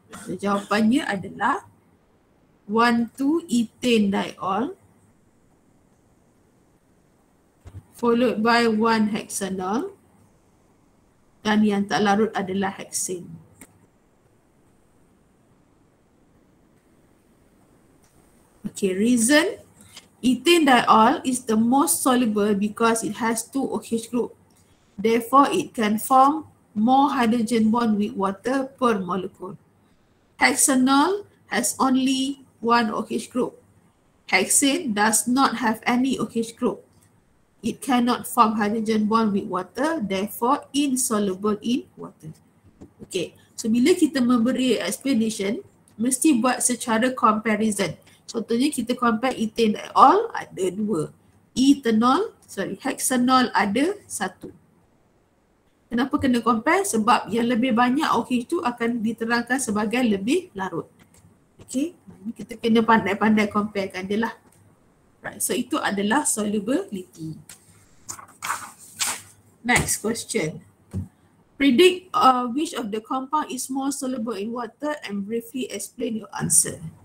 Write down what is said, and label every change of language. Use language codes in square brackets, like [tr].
[ms] So, jawapannya adalah 1,2-ethanediol followed by 1-hexanol, dan yang tak larut adalah hexane. [en] Okay, reason, ethanediol is the most soluble because it has 2 OH group. Therefore, it can form more hydrogen bond with water per molecule. Hexanol has only 1 OH group. Hexane does not have any OH group. It cannot form hydrogen bond with water, therefore insoluble in water. [ms] Okay, so bila kita memberi explanation, mesti buat secara comparison. Contohnya kita compare ethane diol ada 2. Ethanol, sorry, hexanol ada 1. Kenapa kena compare? Sebab yang lebih banyak OH itu akan diterangkan sebagai lebih larut. Okay, kita kena pandai-pandai comparekan dia lah. [en] Right, so [ms] itu adalah [en] solubility. Next question. Predict which of the compound is more soluble in water and briefly explain your answer.